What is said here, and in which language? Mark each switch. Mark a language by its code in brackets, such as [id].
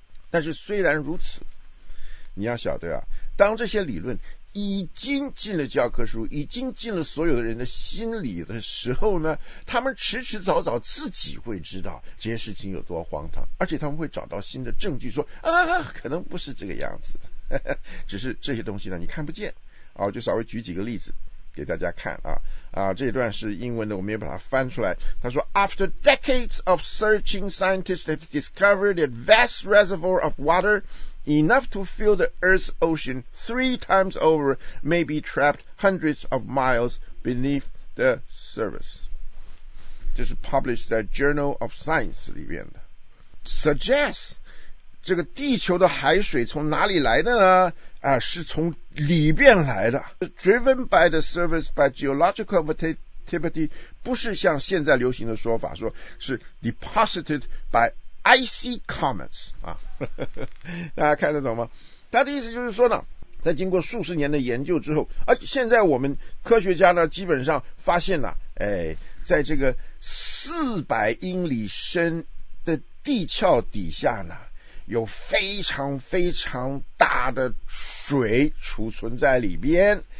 [zh] 但是虽然如此，你要晓得啊，当这些理论已经进了教科书，已经进了所有的人的心里的时候呢，他们迟迟早早自己会知道这些事情有多荒唐，而且他们会找到新的证据说啊，可能不是这个样子的，只是这些东西呢你看不见啊。我就稍微举几个例子给大家看啊。啊，这一段是英文的，我们也把它翻出来。他说 [en] After decades of searching, scientists have discovered a vast reservoir of waterenough to fill the Earth's ocean three times over, may be trapped hundreds of miles beneath the surface. [zh] 这是 published 在 Journal of Science 里面的。 Suggest, 这个地球的海水从哪里来的呢？是从里边来的。 [en] Driven by the surface by geological activity, [zh] 不是像现在流行的说法说是 [en] deposited by icy comets [zh] 啊，大家看得懂吗？他的意思就是说呢，在经过数十年的研究之后，而现在我们科学家呢，基本上发现呢，在这个400英里深的地壳底下呢，有非常非常大的水储存在里边。